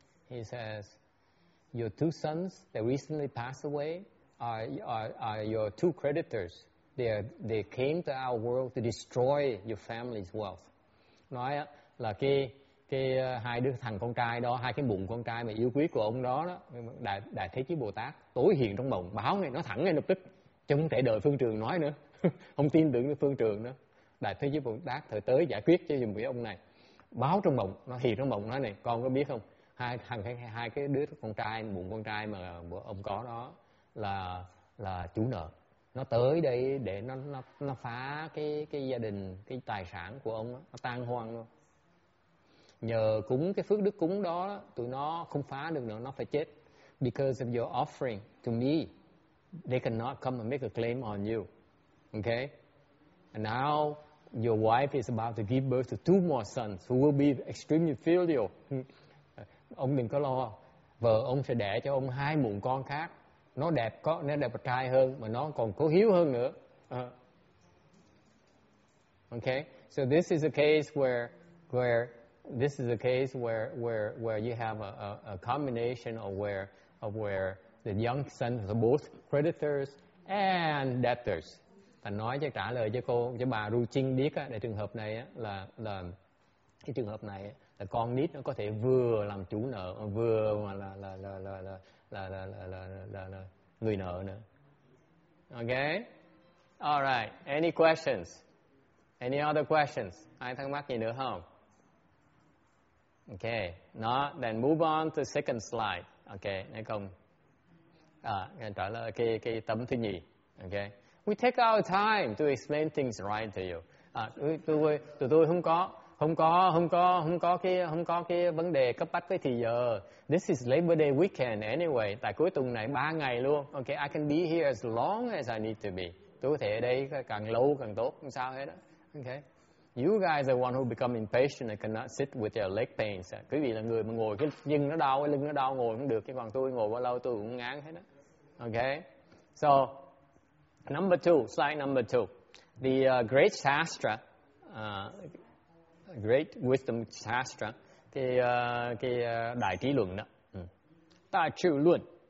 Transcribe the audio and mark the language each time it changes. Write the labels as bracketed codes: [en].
[en] He says, "Your two sons that recently passed away are your two creditors. They came to our world to destroy your family's wealth." [vi] Nói là cái hai đứa thằng con trai đó, hai cái mụn con trai mà yêu quý của ông đó, Đại Thế Chí Bồ Tát tối hiện trong mộng báo ngay, nói thẳng ngay lập tức, chứ không thể đợi phương trưởng nói nữa. Không tin tưởng phương trưởng nữa. Đại Thế Chí Bồ Tát thời tới giải quyết cho dùm ông này. Báo trong mộng, nó hiện trong mộng nói này, con có biết không? Hai cái đứa con trai, mụn con trai mà ông có đó là chủ nợ. Nó tới đây để nó phá cái gia đình, cái tài sản của ông đó, nó tan hoang luôn. Nhờ cúng cái phước đức cúng đó, tụi nó không phá được nữa, nó phải chết. [en] Because of your offering to me, they cannot come and make a claim on you. Okay? And now your wife is about to give birth to two more sons who will be extremely filial. [vi] Ông đừng có lo, vợ ông sẽ đẻ cho ông hai mụn con khác, nó đẹp trai hơn mà nó còn có hiếu hơn nữa. [en] Okay, so this is a case where you have a combination of where the young son are both creditors and debtors. [vi] Thành nói cho trả lời cho cô cho bà Ru Trinh biết á, để trường hợp này á, là cái trường hợp này á, là con nít nó có thể vừa làm chủ nợ vừa mà là người nợ nữa. [en] Okay, all right. Any questions? Any other questions? [vi] Ai thắc mắc gì nữa không? Okay. Not. [en] Then move on to second slide. Okay. [vi] Nghe không? Nghe trả lời cái tấm thứ nhì. [en] Okay. We take our time to explain things right to you. [vi] Tôi không có. Không có cái vấn đề cấp bách với thì giờ. [en] This is Labor Day weekend anyway. [vi] Tại cuối tuần này 3 ngày luôn. [en] Okay, I can be here as long as I need to be. [vi] Tôi có thể ở đây càng lâu càng tốt, không sao hết á. [en] Okay. You guys are one who become impatient and cannot sit with your leg pains. [vi] Quý vị là người mà ngồi cái lưng nó đau, ngồi không được. Chứ còn tôi ngồi bao lâu tôi cũng ngán hết á. Okay. [en] So, number two, slide number two. The great Shastra, great wisdom shastra, [vi] cái đại trí luận đó, đại trí luận,